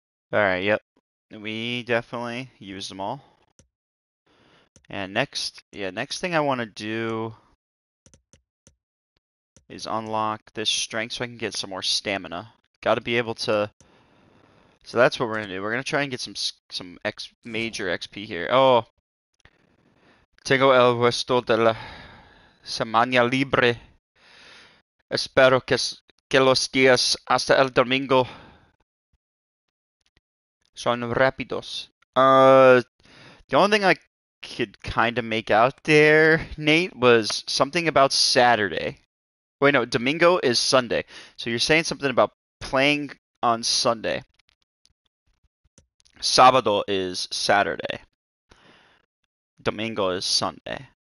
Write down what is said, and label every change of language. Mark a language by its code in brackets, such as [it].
[en] Right, yep. We definitely used them all. And next thing I want to do is unlock this strength so I can get some more stamina. Got to be able to. So that's what we're gonna do. We're gonna try and get some X major XP here. [es] Oh, tengo el resto de la semana libre. Espero que los días hasta el domingo son rápidos. [en] The only thing I could kind of make out there, Nate, was something about Saturday. Wait, no, domingo is Sunday. So you're saying something about playing on Sunday. Sábado is Saturday. Domingo is Sunday.